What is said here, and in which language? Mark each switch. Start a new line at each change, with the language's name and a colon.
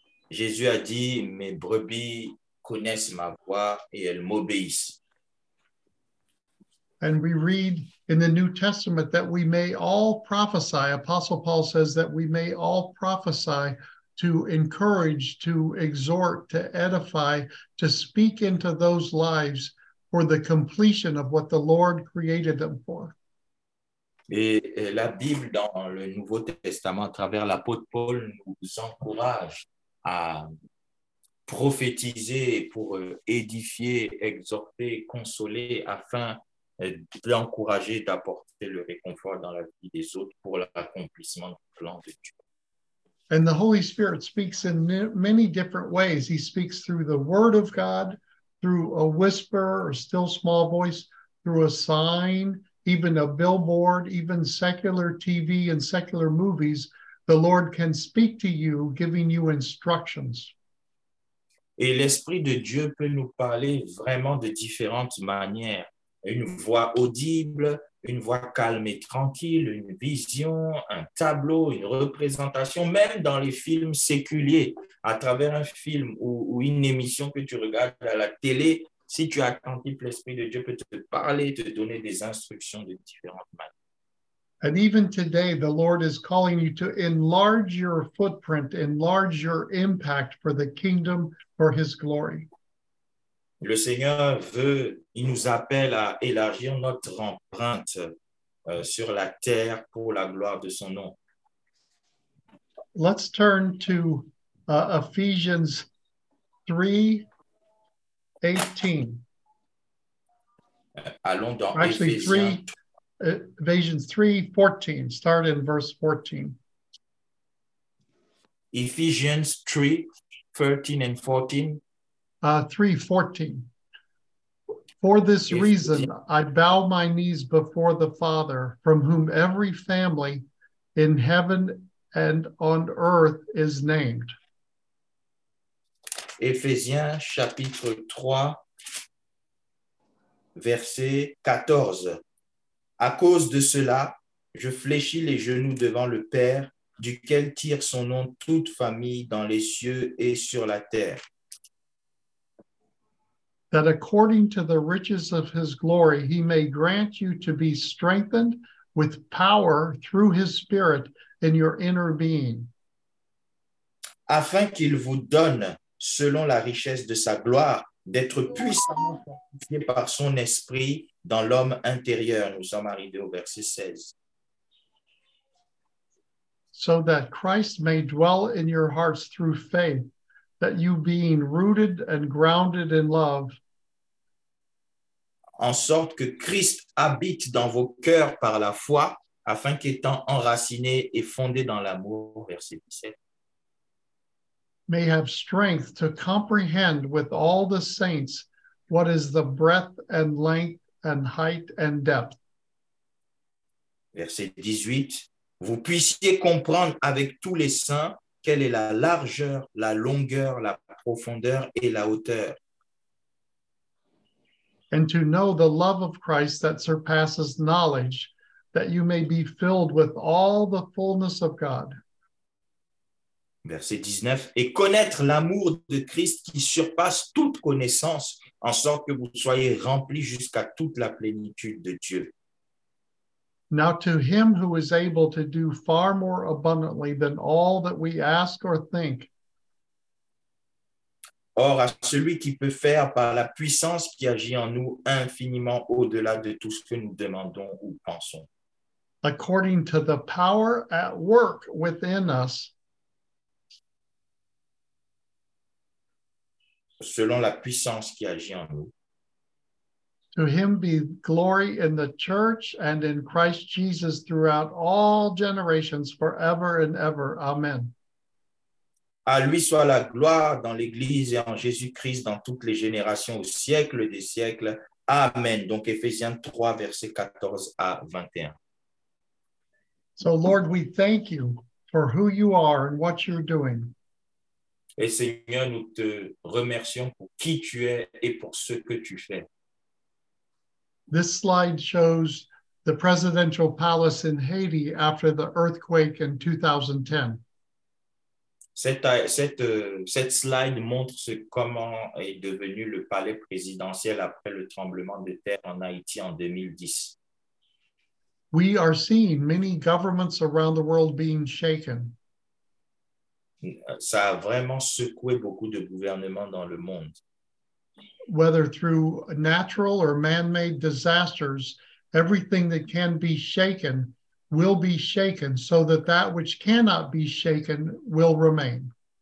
French: Jésus a dit, "Mes brebis connaissent ma voix et elles m'obéissent."
English: And we read in the New Testament that we may all prophesy. Apostle Paul says that we may all prophesy to encourage, to exhort, to edify, to speak into those lives for the completion of what the Lord created them for.
French: Et la Bible dans le Nouveau Testament, à travers l'apôtre Paul, nous encourage à prophétiser pour édifier, exhorter, consoler, afin d'encourager, d'apporter le réconfort dans la vie des autres pour l'accomplissement du plan de Dieu.
English: And the Holy Spirit speaks in many different ways. He speaks through the Word of God, through a whisper or still small voice, through a sign, even a billboard, even secular TV and secular movies, the Lord can speak to you, giving you instructions.
French: Et l'Esprit de Dieu peut nous parler vraiment de différentes manières. Une voix audible, une voix calme et tranquille, une vision, un tableau, une représentation, même dans les films séculiers, à travers un film ou une émission que tu regardes à la télé. Si tu es attentif, l'Esprit de Dieu peut te parler, te donner des instructions de différentes manières.
English: And even today, the Lord is calling you to enlarge your footprint, enlarge your impact for the kingdom, for his glory.
French: Le Seigneur veut, il nous appelle à élargir notre empreinte sur la terre pour la gloire de son nom.
English: Let's turn to Ephesians 3. 18.
French: Allons dans
English: Actually, Ephesians 3, 14. Start in verse 14. Ephesians 3, 13 and 14. 3, 14. For this reason, I bow my knees before the Father, from whom every family in heaven and on earth is named.
French: Éphésiens, chapitre 3, verset 14. À cause de cela, je fléchis les genoux devant le Père, duquel tire son nom toute famille dans les cieux et sur la terre.
English: That according to the riches of his glory, he may grant you to be strengthened with power through his Spirit in your inner being.
French: Afin qu'il vous donne, selon la richesse de sa gloire, d'être puissamment fortifié par son esprit dans l'homme intérieur. Nous sommes arrivés au verset 16.
English: So that Christ may dwell in your hearts through faith, that you being rooted and grounded in love.
French: En sorte que Christ habite dans vos cœurs par la foi, afin qu'étant enraciné et fondé dans l'amour, verset 17.
English: May have strength to comprehend with all the saints what is the breadth and length and height and depth.
French: Verset 18. Vous puissiez comprendre avec tous les saints quelle est la largeur, la longueur, la profondeur et la hauteur.
English: And to know the love of Christ that surpasses knowledge, that you may be filled with all the fullness of God.
French: Verset 19, et connaître l'amour de Christ qui surpasse toute connaissance, en sorte que vous soyez remplis jusqu'à toute la plénitude de Dieu.
English: Now to him who is able to do far more abundantly than all that we ask or think.
French: Or à celui qui peut faire par la puissance qui agit en nous infiniment au-delà de tout ce que nous demandons ou pensons.
English: According to the power at work within us,
French: selon la puissance qui agit en nous.
English: To him be glory in the church and in Christ Jesus throughout all generations, forever and ever. Amen.
French: À lui soit la gloire dans l'Église et en Jésus-Christ dans toutes les générations, au siècle des siècles. Amen. Donc, Éphésiens 3, versets 14 à 21.
English: So, Lord, we thank you for who you are and what you're doing.
French: Et Seigneur, nous te remercions pour qui tu es et pour ce que tu fais.
English: This slide shows the presidential palace in Haiti after the earthquake in 2010.
French: Cette slide montre comment est devenu le palais présidentiel après le tremblement de terre en Haïti en 2010.
English: We are seeing many governments around the world being shaken.
French: Ça a vraiment secoué beaucoup de gouvernements dans le monde.
English: Whether through natural or man-made disasters, everything that can be shaken will be shaken, so that that which cannot be shaken will remain.